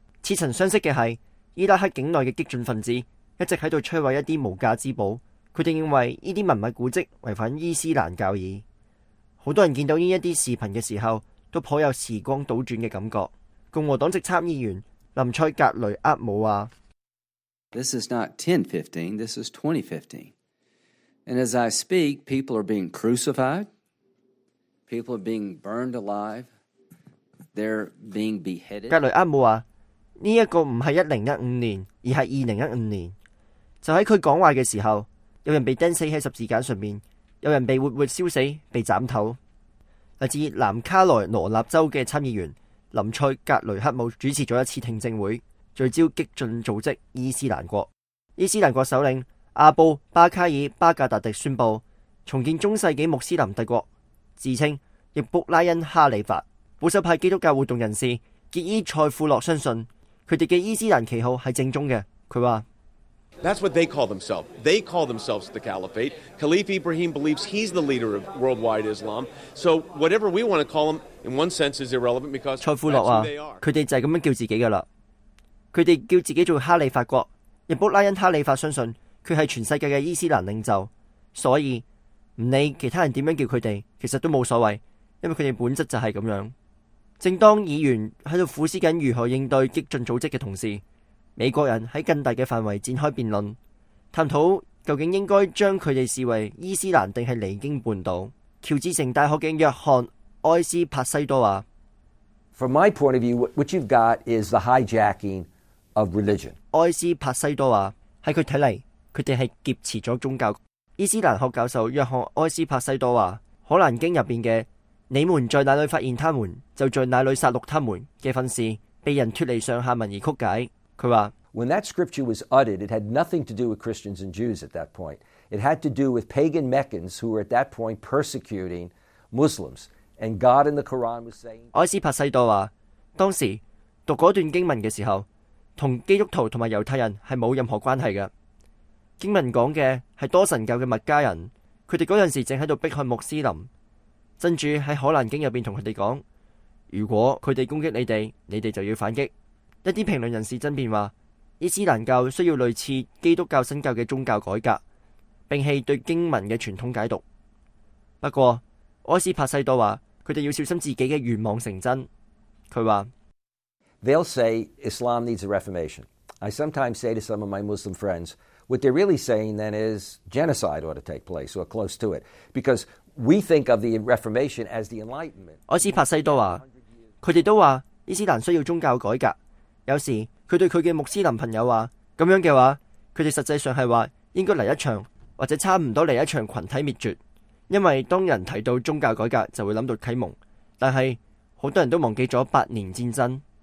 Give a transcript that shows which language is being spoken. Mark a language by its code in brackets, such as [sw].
[zh] 似曾相识的是，伊拉克境内的激进分子一直在度摧毁一些无价之宝，他们认为这些文物古迹违反伊斯兰教义。很多人看到这些视频的时候都颇有时光倒转的感觉。共和党籍参议员林塞格雷厄姆说， [en] This is not 10-15, this is 2015. And as I speak, people are being crucified. People are being burned alive. They're being beheaded. [zh] 格雷厄姆说，这个不是2015年，而是2015年。就在他讲话的时候，有人被钉死在十字架上面，有人被活活烧死，被斩头。来自南卡莱罗纳州的参议员林塞格雷克姆主持了一次听证会，聚焦激进组织伊斯兰国。伊斯兰国首领阿布巴卡尔巴格达迪宣布重建中世纪穆斯林帝国，自称易卜拉欣哈里法。保守派基督教活动人士杰伊塞库洛相信他们的伊斯兰旗号是正宗的，他说， [en] That's what they call themselves. They call themselves the Caliphate. Caliph Ibrahim believes he's the leader of worldwide Islam. So whatever we want to call them, in one sense, is irrelevant because that's who they are. [zh] 他们就是这样叫自己的了。他们叫自己做哈里法国。易卜拉欣哈里法相信他是全世界的伊斯兰领袖。所以不理其他人怎样叫他们，其实都没所谓，因为他们本质就是这样。正当议员在苦思如何应对激进组织的同时，美国人在更大的范围展开辩论，探讨究竟应该将他们视为伊斯兰定是离经半岛。乔治城大学的约翰·埃斯帕西多说， [en] From my point of view, what you've got is the hijacking of religion. [zh] 埃斯帕西多说，在他看来，他们是劫持了宗教。伊斯兰学教授约翰·埃斯帕西多说，《可兰经》里面的你们在哪里发现他们，就在哪里杀戮他们的训示，被人脱离上下文而曲解。 [en] When that scripture was uttered, it had nothing to do with Christians and Jews at that point. It had to do with pagan Meccans who were at that point persecuting Muslims. And God in the Quran was saying, [zh] 埃斯帕西多说，当时读那段经文的时候，跟基督徒和犹太人是没有任何关系的。经文讲的是多神教的麦加人，他们那时正在迫害穆斯林。真主在可兰经里面跟他们说，如果他们攻击你们，你们就要反击。一些评论人士争辩说，伊斯兰教需要类似基督教新教的宗教改革，摒弃对经文的传统解读。不过埃斯帕西多说，他们要小心自己的愿望成真。他说， [en] They'll say Islam needs a reformation. I sometimes say to some of my Muslim friends, what they're really saying then is genocide ought to take place or close to it. Because we think of the reformation as the enlightenment. [zh] 埃斯帕西多说，他们都说伊斯兰需要宗教改革。有时他对他的穆斯林朋友说，这样的话他们实际上是说应该来一场或者差不多来一场群体灭绝。因为当人提到宗教改革就会想到启蒙，但是很多人都忘记了八年战争。